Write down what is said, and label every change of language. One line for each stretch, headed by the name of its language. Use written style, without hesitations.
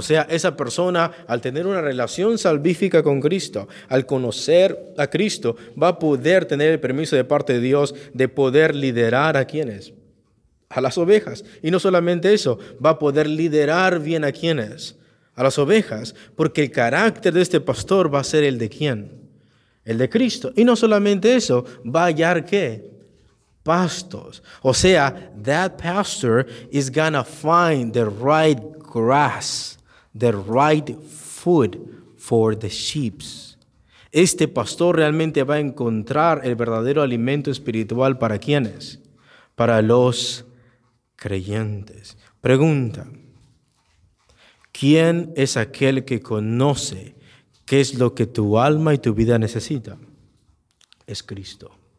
Spanish: O sea, esa persona al tener una relación salvífica con Cristo, al conocer a Cristo, va a poder tener el permiso de parte de Dios de poder liderar ¿a quiénes? A las ovejas. Y no solamente eso, va a poder liderar bien ¿a quiénes? A las ovejas. Porque el carácter de este pastor va a ser el de ¿quién? El de Cristo. Y no solamente eso, va a hallar ¿qué? Pastos. O sea,
English: that pastor is gonna find the right grass, the right food for the sheep.
Spanish: Este pastor realmente va a encontrar el verdadero alimento espiritual ¿para quiénes? Para los creyentes. Pregunta, ¿quién es aquel que conoce qué es lo que tu alma y tu vida necesita? Es Cristo.